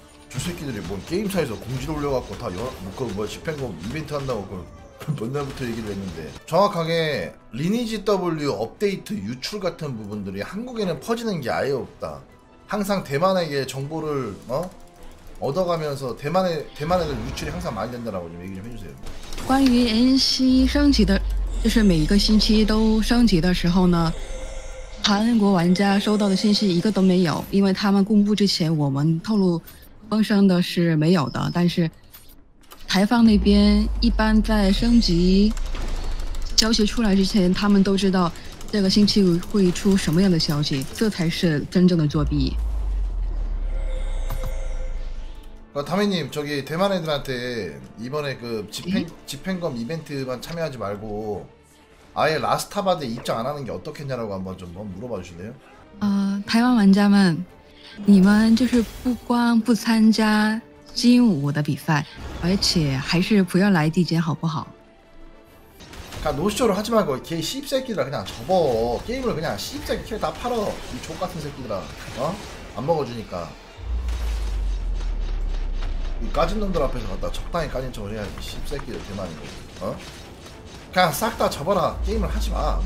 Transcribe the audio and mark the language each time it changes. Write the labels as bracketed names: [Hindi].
[Korean] 저 새끼들이 뭔 게임사에서 공지를 올려갖고 다 그뭐 집행검 이벤트 한다고 그걸 몇 날부터 얘기를 했는데 정확하게 리니지 W 업데이트 유출 같은 부분들이 한국에는 퍼지는 게 아예 없다. 항상 대만에게 정보를 어? 얻어가면서 대만 애들 유출이 항상 많이 된다라고 좀 얘기 좀 해주세요. [Chinese] 关于 NC 升级的，就是每一个星期都升级的时候呢，韩国玩家收到的信息一个都没有，因为他们公布之前我们透露风声的是没有的。但是台方那边一般在升级消息出来之前，他们都知道这个星期会出什么样的消息，这才是真正的作弊。 [Korean] 담임님, 저기 대만 애들한테 이번에 그 집행검 이벤트만 참여하지 말고 아예 라스타바드에 입장 안 하는 게 어떻겠냐라고 한번 좀 물어봐 주실래요? [Chinese] 台湾玩家们，你们就是不光不参加金武的比赛，而且还是不要来地间好不好？ [Korean] 노쇼를 하지 말고 걔 씹새끼들아 그냥 접어. 게임을 그냥 씹새끼 캐릭터 다 팔어. 이 족 같은 새끼들아. 어? 안 먹어주니까. 이 까진 놈들 앞에서 갖다 적당히 까진 척을 해야지. 씹새끼들 대만이고. 어? 그냥 싹 다 접어라. 게임을 하지 마.